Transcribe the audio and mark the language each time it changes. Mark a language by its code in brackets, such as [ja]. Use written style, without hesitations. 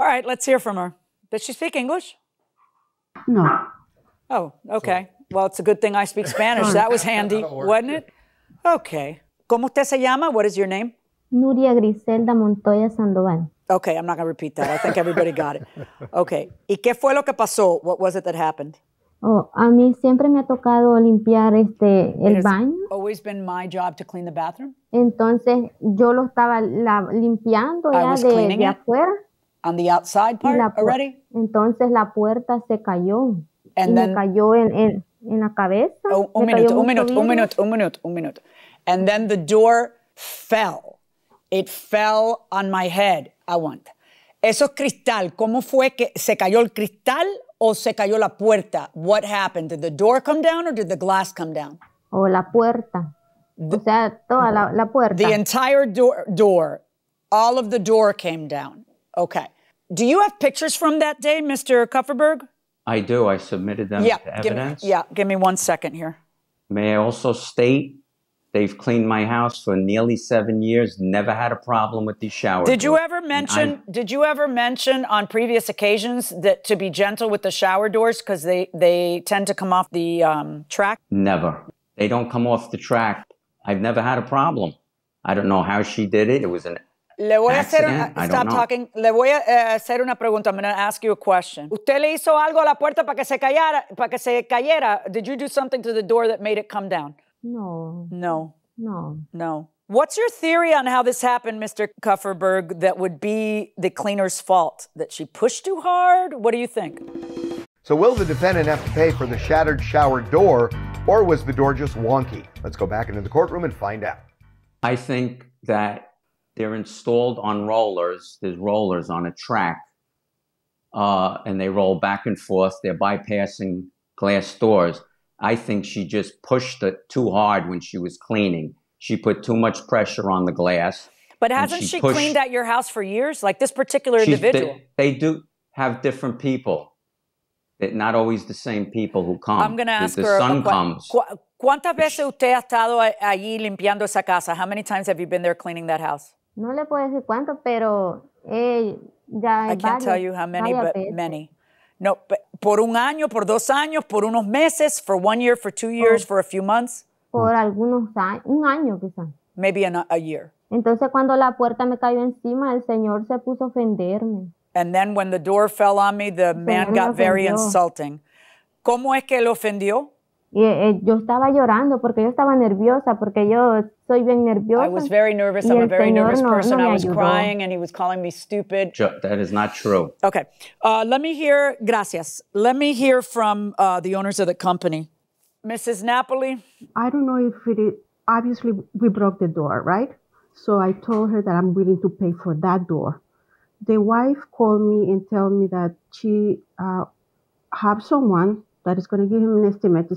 [en] All right, let's hear from her. Does she speak English? No. Oh, okay. Sorry. Well, it's a good thing I speak Spanish. That was handy, wasn't it? Okay. [es] ¿Cómo usted se llama? [en] What is your name? [es] Nuria Griselda Montoya Sandoval. [en] Okay, I'm not going to repeat that. I think everybody got it. Okay. [es] ¿Y qué fue lo que pasó? [en] What was it that happened? [es] Oh, a mí siempre me ha tocado limpiar el baño. [en] It's always been my job to clean the bathroom. [es] Entonces, yo lo estaba limpiando ya de afuera. [en] On the outside part already? [es] Entonces, la puerta se cayó. [en] And then, [es] me cayó en la cabeza. [en] Oh, [es] un minuto. [en] And then the door fell. It fell on my head. I want. [es] Eso cristal, ¿cómo fue que se cayó el cristal? ¿O se cayó la puerta? [en] What happened? Did the door come down or did the glass come down? [es] Oh, la puerta. La puerta. [en] The entire door. All of the door came down. Okay. Do you have pictures from that day, Mr. Kupferberg? I do. I submitted them to evidence. Give me 1 second here. May I also state they've cleaned my house for nearly 7 years, never had a problem with these showers. Did you ever mention on previous occasions that to be gentle with the shower doors because they tend to come off the track? Never. They don't come off the track. I've never had a problem. I don't know how she did it. It was an [es] Le voy [en] accident. [es] A hacer, [en] stop talking. [es] Le voy a hacer una pregunta. [en] I'm going to ask you a question. [es] ¿Usted le hizo algo a la puerta para que se cayera? [en] Did you do something to the door that made it come down? No. What's your theory on how this happened, Mr. Kupferberg, that would be the cleaner's fault? That she pushed too hard? What do you think? So will the defendant have to pay for the shattered shower door, or was the door just wonky? Let's go back into the courtroom and find out. I think that they're installed on rollers. There's rollers on a track, and they roll back and forth. They're bypassing glass doors. I think she just pushed it too hard when she was cleaning. She put too much pressure on the glass. But hasn't she cleaned at your house for years? Like this particular individual? They do have different people. They're not always the same people who come. I'm going to ask her. The sun comes. [es] ¿Cuántas veces usted ha estado allí limpiando esa casa? [en] How many times have you been there cleaning that house? [es] No le puedo decir cuánto, pero ya [en] I can't tell you how many, but many. [es] No, por un año, por dos años, por unos meses, [en] for 1 year, for 2 years, for a few months. [es] Por algunos años, un año quizás. [en] Maybe a year. [es] Entonces cuando la puerta me cayó encima, el señor se puso a ofenderme. [en] And then when the door fell on me, the man got very insulting. [es] ¿Cómo es que lo ofendió? Yo estaba llorando porque yo estaba nerviosa porque yo soy bien nerviosa. [en] I was very nervous. I'm a very nervous person. I was crying and he was calling me stupid. That is not true. Okay. Let me hear, gracias. Let me hear from the owners of the company. Mrs. Napoli? I don't know if it is. Obviously, we broke the door, right? So I told her that I'm willing to pay for that door. The wife called me and told me that she have someone that is going to give him an estimate.